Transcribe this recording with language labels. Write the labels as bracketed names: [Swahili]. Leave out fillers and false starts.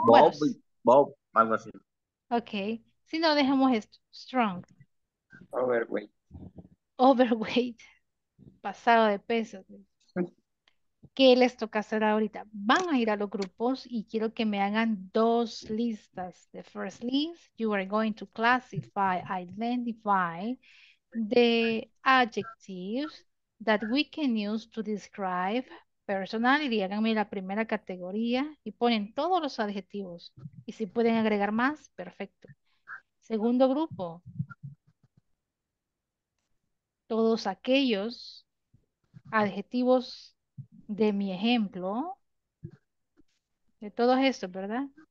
[Spanish] Bob, Bob, algo así. Okay. Si no, dejemos esto. Strong. [English] Overweight. [Spanish] Overweight. Pasado de peso. ¿Qué les toca hacer ahorita? Van a ir a los grupos y quiero que me hagan dos listas. [English] The first list, you are going to classify, identify the adjectives that we can use to describe personality. [Spanish] Háganme la primera categoría y ponen todos los adjetivos. Y si pueden agregar más, perfecto. Segundo grupo, todos aquellos adjetivos de mi ejemplo, de todos estos, ¿verdad?